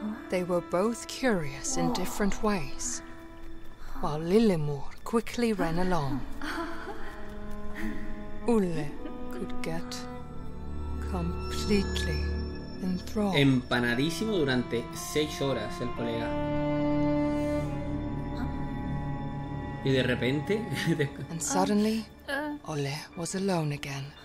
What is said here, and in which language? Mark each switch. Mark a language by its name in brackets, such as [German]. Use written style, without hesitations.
[English] They were both curious in different ways, while Lillemor quickly ran along. Ulle could get completely enthralled. [Spanish] Empanadísimo durante 6 horas el colega. Y de repente. [English] And suddenly, Ole was alone again.